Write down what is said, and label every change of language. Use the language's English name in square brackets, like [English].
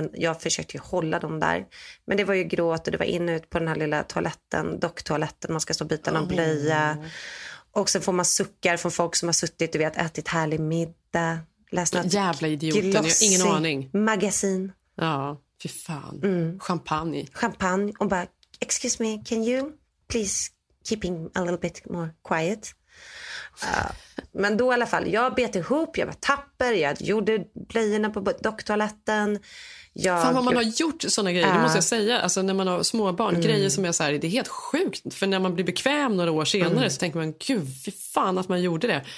[Swedish] Men jag försökte ju hålla dem där. Men det var ju gråt och det var in och ut på den här lilla toaletten, docktoaletten. Man ska stå och byta någon blöja. Och sen får man suckar från folk som har suttit och vet, ätit härlig middag. Jävla idioten, jag har ingen aning. Magasin. Ja, fy fan. Mm. Champagne. Champagne. Och bara, [English] excuse me, can you please keep him a little bit more quiet? [Swedish] Men då i alla fall, jag bet ihop, jag var tapper, jag gjorde blöjorna på docktoaletten. Jag... Fan vad man har gjort sådana grejer, det måste jag säga. Alltså när man har småbarn, grejer som är så här, det är helt sjukt. För när man blir bekväm några år senare så tänker man, gud fy fan att man gjorde det.